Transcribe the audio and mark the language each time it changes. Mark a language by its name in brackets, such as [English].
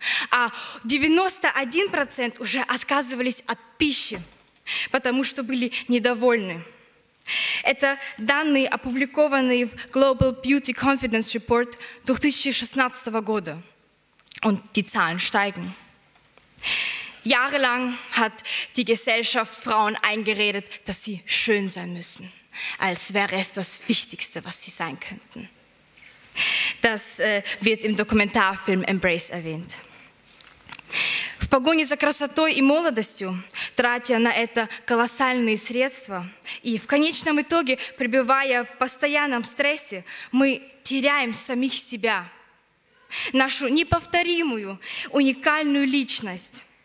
[Russian] А 91% уже отказывались от пищи, потому что были недовольны. Это данные, опубликованные в Global Beauty Confidence Report 2016 года. [German] Und die Zahlen steigen. Jahrelang hat die Gesellschaft Frauen eingeredet, dass sie schön sein müssen, als wäre es das Wichtigste, was sie sein könnten. Das wird im Dokumentarfilm Embrace erwähnt. [Russian] В погоне за красотой и молодостью, тратя на это колоссальные средства и в конечном итоге пребывая в постоянном стрессе, мы теряем самих себя, нашу неповторимую, уникальную личность.